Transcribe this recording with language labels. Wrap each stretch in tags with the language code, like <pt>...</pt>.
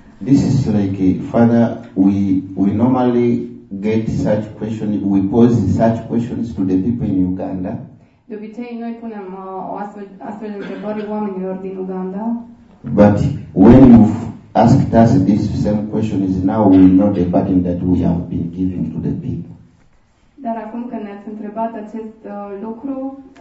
<en>This is like, Father, we normally get such questions. We pose such questions to the people in Uganda.</en> <ro>De obicei, noi punem astfel de întrebări oamenilor din Uganda.</ro> <en>But when you've asked us this same question, is now we know the burden that we have been giving to the people.</en> <ro>Dar acum că ne-ați întrebat acest lucru,</ro>